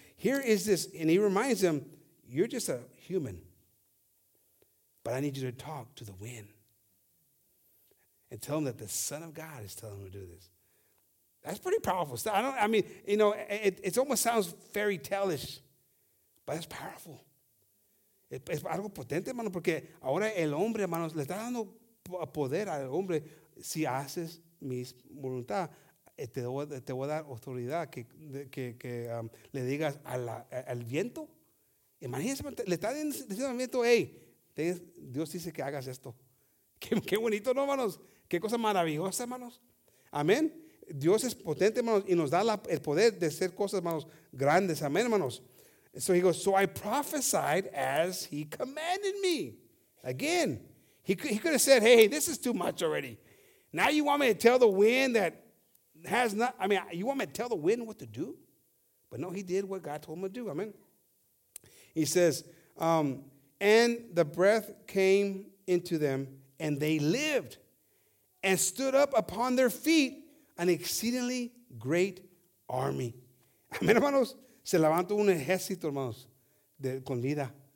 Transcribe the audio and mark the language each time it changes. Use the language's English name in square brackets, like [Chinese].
[English] Here is this, and he reminds them, you're just a human, but I need you to talk to the wind and tell them that the Son of God is telling them to do this. That's pretty powerful stuff. It almost sounds fairy tale-ish, but it's powerful. [Spanish] Es algo potente, hermano, porque ahora el hombre, hermano, le está dando poder al hombre. Si haces mi voluntad, te voy a dar autoridad que le digas al viento. Imagínese, le está diciendo al viento, hey, Dios dice que hagas esto. Qué bonito, ¿no, hermanos? Qué cosa maravillosa, hermanos. Amén. Dios es potente, hermanos, y nos da el poder de hacer cosas, hermanos, grandes. Amén, hermanos. [English] So he goes, so I prophesied as he commanded me. Again, he could have said, hey, this is too much already. Now you want me to tell the wind that has not, I mean, you want me to tell the wind what to do? But no, he did what God told him to do. Amen. He says, and the breath came into them, and they lived and stood up upon their feet, an exceedingly great army. [Spanish] Amen, hermanos. Se levantó un ejército, hermanos, de con vida.